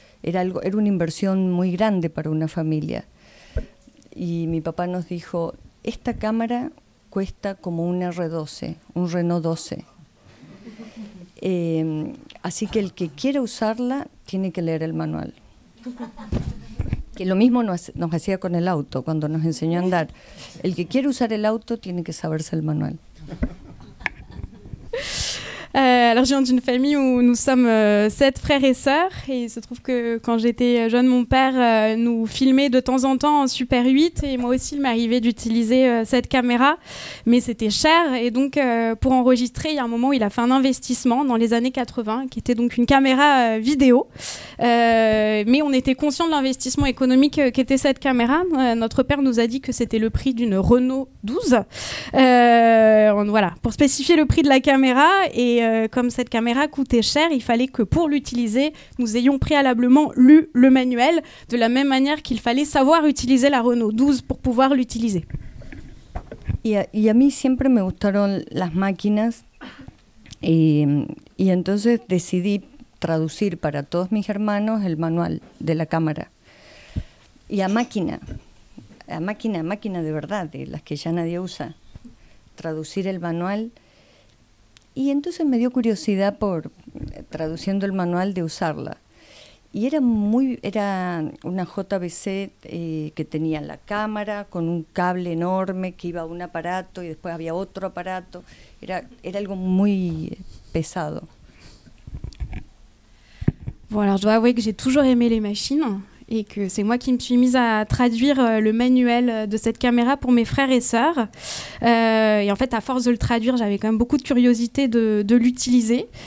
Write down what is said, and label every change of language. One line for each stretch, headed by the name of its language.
Spanish: Era una inversión muy grande para una familia. Y mi papá nos dijo, esta cámara cuesta como un R12, un Renault 12. Así que el que quiera usarla tiene que leer el manual. Que lo mismo nos hacía con el auto cuando nos enseñó a andar. El que quiere usar el auto tiene que saberse el manual.
French: Alors, je viens d'une famille où nous sommes 7 frères et sœurs. Et il se trouve que quand j'étais jeune, mon père nous filmait de temps en temps en Super 8. Et moi aussi, il m'arrivait d'utiliser cette caméra. Mais c'était cher. Et donc, pour enregistrer, il y a un moment où il a fait un investissement dans les années 80, qui était donc une caméra vidéo. Mais on était conscients de l'investissement économique qu'était cette caméra. Notre père nous a dit que c'était le prix d'une Renault 12. Voilà, pour spécifier le prix de la caméra. Et comme cette caméra coûtait cher, il fallait que pour l'utiliser, nous ayons préalablement lu le manuel, de la même manière qu'il fallait savoir utiliser la Renault 12 pour pouvoir l'utiliser.
Spanish: Y a mí siempre me gustaron las máquinas y entonces decidí traducir para todos mis hermanos el manual de la cámara. Y a máquina de verdad, de las que ya nadie usa, traducir el manual. Y entonces me dio curiosidad por traduciendo el manual de usarla. Y era una JVC que tenía la cámara con un cable enorme que iba a un aparato y después había otro aparato. Era algo muy pesado.
French: Bueno, alors je dois avouer que j'ai toujours aimé les machines. Et que c'est moi qui me suis mise à traduire le manuel de cette caméra pour mes frères et sœurs. Et en fait, à force de le traduire, j'avais quand même beaucoup de curiosité de l'utiliser.